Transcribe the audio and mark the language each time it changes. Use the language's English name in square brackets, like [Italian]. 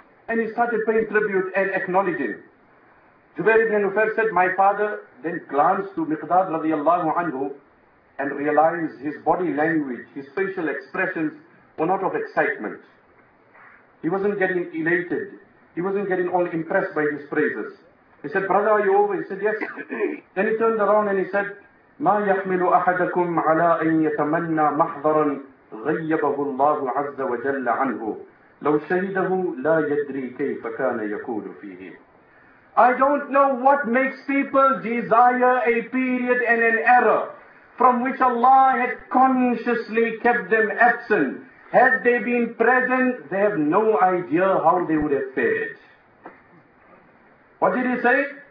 [English] And he started paying tribute and acknowledging. Jubair ibn Nufayl said, my father then glanced to Miqdad radiallahu anhu and realized his body language, his facial expressions were not of excitement. He wasn't getting elated. He wasn't getting all impressed by his praises. He said, brother, are you over? He said, yes. Then he turned around and he said, [Arabic] مَا يَحْمِلُ أَحَدَكُمْ عَلَىٰ أَنْ يَتَمَنَّى مَحْضَرًا غَيَّبَهُ اللَّهُ عَزَّ وَجَلَّ عَنْهُ لَوْ شَهِدَهُ لَا يَدْرِي كَيْفَ كَانَ يَكُولُ فِيهِ. [English] I don't know what makes people desire a period and an era from which Allah had consciously kept them absent. Had they been present, they have no idea how they would have fared. What did he say?